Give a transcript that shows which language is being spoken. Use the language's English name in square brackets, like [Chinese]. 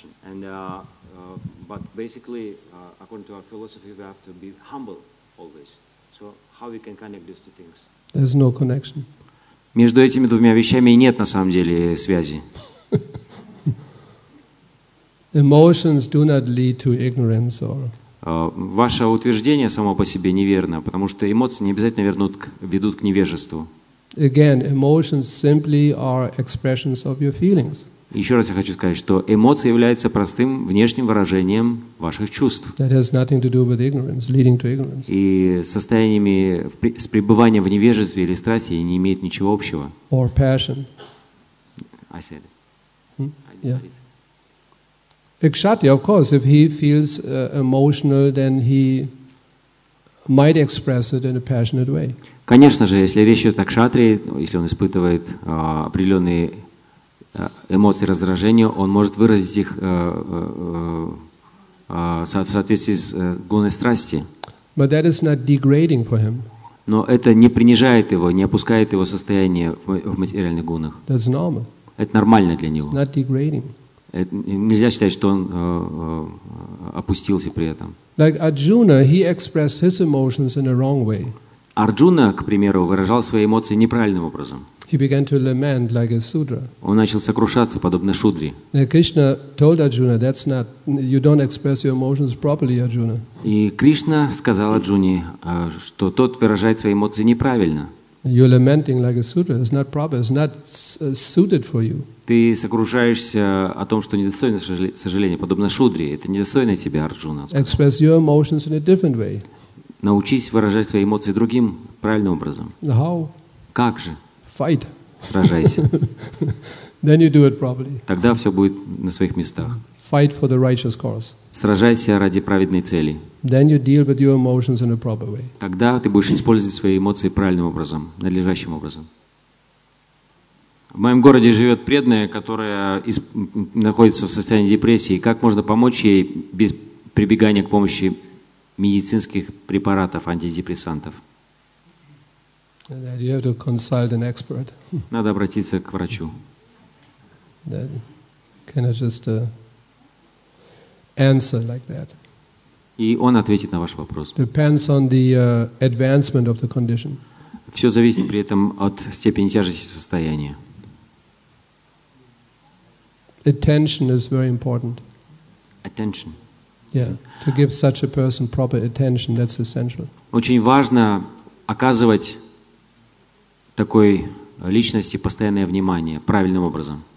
[English] And but basically, according to our philosophy, we have to be humble always. So how we can connect these two things? There's no connection. [Russian] Между этими двумя вещами нет на самом деле связи. [English] Emotions do not lead to ignorance or. [Russian] Ваше утверждение само по себе неверно, потому что эмоции не обязательно ведут к невежеству. [English] Again, emotions simply are expressions of your feelings. [Russian] Еще раз я хочу сказать, что эмоции являются простым внешним выражением ваших чувств. [English] That has nothing to do with ignorance, leading to ignorance. [Russian] И состояниями с пребыванием в невежестве или страсти не имеет ничего общего. [English] Or passion. I said. Kshatriya, of course, if he feels emotional, then he might express it in a passionate way. [Russian] Конечно же, если речь идет о кшатрии, если он испытывает определенные эмоции раздражения, он может выразить их в соответствии с гуной страсти. [English] But that is not degrading for him. [Russian] Но это не принижает его, не опускает его состояние в материальных гунах. [English] That's normal. [Russian] Это нормально для него. [English] It's not degrading. [Russian] Нельзя считать, что он опустился при этом. [English] Like Arjuna, he expressed his emotions in a wrong way. [Russian] Арджуна, к примеру, выражал свои эмоции неправильным образом. [English] He began to lament like a sudra. [Russian] Он начал сокрушаться, подобно шудре. [English] Now Krishna told Arjuna, that's not, you don't express your emotions properly, Arjuna. [Russian] И Кришна сказал Арджуне, что тот выражает свои эмоции неправильно. [English] You're lamenting like a sudra. It's not proper. It's not suited for you. [Russian] Ты сокрушаешься о том, что недостойно сожаления, подобно шудре. Это недостойно тебя, Арджуна. [English] Express your emotions in a different way. [Russian] Научись выражать свои эмоции другим, правильным образом. [English] How? [Russian] Как же? [English] Fight. [Russian] Сражайся. [English] Then you do it properly. [Russian] Тогда все будет на своих местах. [English] Fight for the righteous cause. [Russian] Сражайся ради праведной цели. [English] Then you deal with your emotions in a proper way. [Russian] Тогда ты будешь использовать свои эмоции правильным образом, надлежащим образом. В моем городе живет преданная, которая находится в состоянии депрессии. Как можно помочь ей без прибегания к помощи медицинских препаратов, антидепрессантов? [English] You have to consult an expert. [Russian] Надо обратиться к врачу. [English] Can I just answer like that? [Russian] И он ответит на ваш вопрос. [English] Depends on the advancement of the condition. [Russian] Все зависит при этом от степени тяжести состояния. [English] Attention is very important. Attention. Yeah, to give such a person proper attention, that's essential. [Russian] Очень важно оказывать такой личности постоянное внимание правильным образом.